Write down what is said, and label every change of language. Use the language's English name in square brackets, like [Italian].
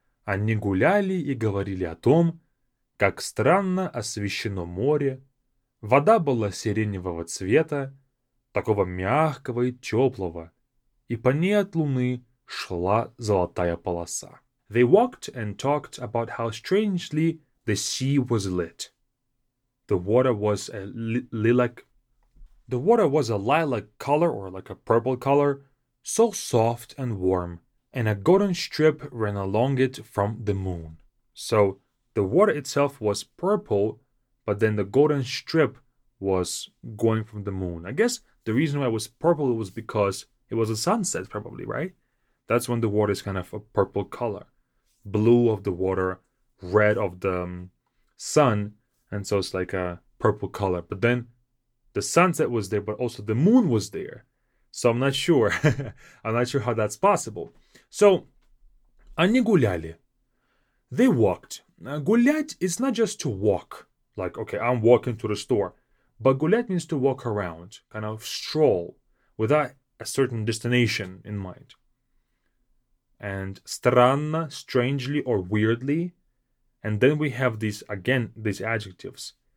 [Russian] Они гуляли и говорили о том, как странно освещено море, вода была сиреневого цвета, такого мягкого и теплого, и по ней от луны шла золотая полоса. [English] They walked and talked about how strangely the sea was lit. The water was a lilac. The water was a lilac color, or like a purple color, so soft and warm, and a golden strip ran along it from the moon. So, the water itself was purple, but then the golden strip was going from the moon. I guess the reason why it was purple was because it was a sunset, probably, right? That's when the water is kind of a purple color. Blue of the water, red of the sun, and so it's like a purple color. But then... The sunset was there, but also the moon was there. So I'm not sure. I'm not sure how that's possible. [Russian] So, они гуляли. [English] They walked. Now, гулять is not just to walk. Like, okay, I'm walking to the store. But гулять means to walk around. Kind of stroll. Without a certain destination in mind. And странно, strangely or weirdly. And then we have these, again, these adjectives.